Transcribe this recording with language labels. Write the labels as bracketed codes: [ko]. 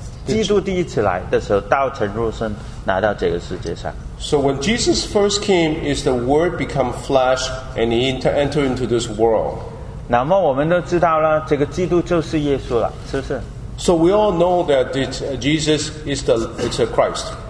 [zh] 基督第一次来的时候, 道成肉身来到这个世界上。 [en] So when Jesus first came, is the Word become flesh, and he entered into this world. [zh] 那么我们都知道了, 这个基督就是耶稣了, 是不是? [en] So we all know that Jesus is the it's a Christ.